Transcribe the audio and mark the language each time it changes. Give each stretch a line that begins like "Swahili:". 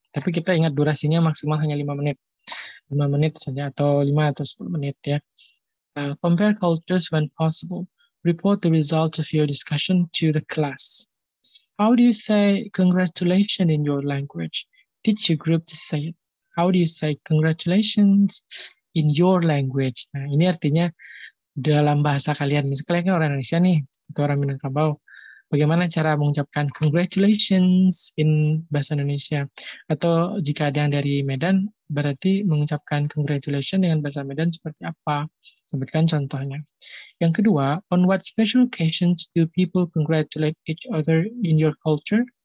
Indonesian: Tapi kita ingat durasinya maksimal hanya 5 menit. 5 menit saja atau 5 atau 10 menit ya.
English: Compare cultures when possible. Report the results of your discussion to the class. How do you say congratulations in your language? Teach your group to say it. How do you say congratulations in your language?
Indonesian: Nah, ini artinya dalam bahasa kalian. Misalnya kalian kan orang Indonesia nih, atau orang Minangkabau. Bagaimana cara mengucapkan congratulations in bahasa Indonesia? Atau jika ada yang dari Medan, berarti mengucapkan congratulations dengan bahasa Medan seperti apa? Sebutkan contohnya.
English: Yang kedua, on what special occasions do people congratulate each other in your culture?